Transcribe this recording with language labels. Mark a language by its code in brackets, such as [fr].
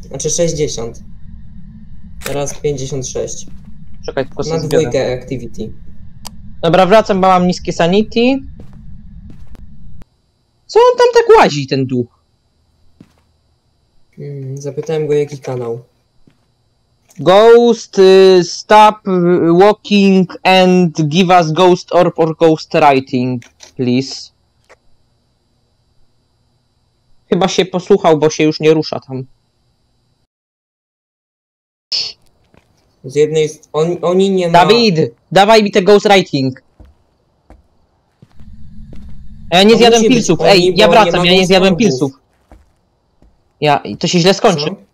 [pl] Znaczy 60. Teraz 56. Czekaj, tylko na dwójkę activity. Dobra, wracam, bo mam niskie sanity. Co on tam tak łazi, ten duch? Zapytałem go, jaki kanał. [en] Ghost, stop walking and give us ghost orb or ghost writing, please. [pl] Chyba się posłuchał, bo się już nie rusza tam. Z jednej strony, oni nie ma... Dawid, dawaj mi te ghost writing. Nie zjadłem pilsów, ej, ja wracam, ja nie zjadłem pilsów. Ja, to się źle skończy. Co?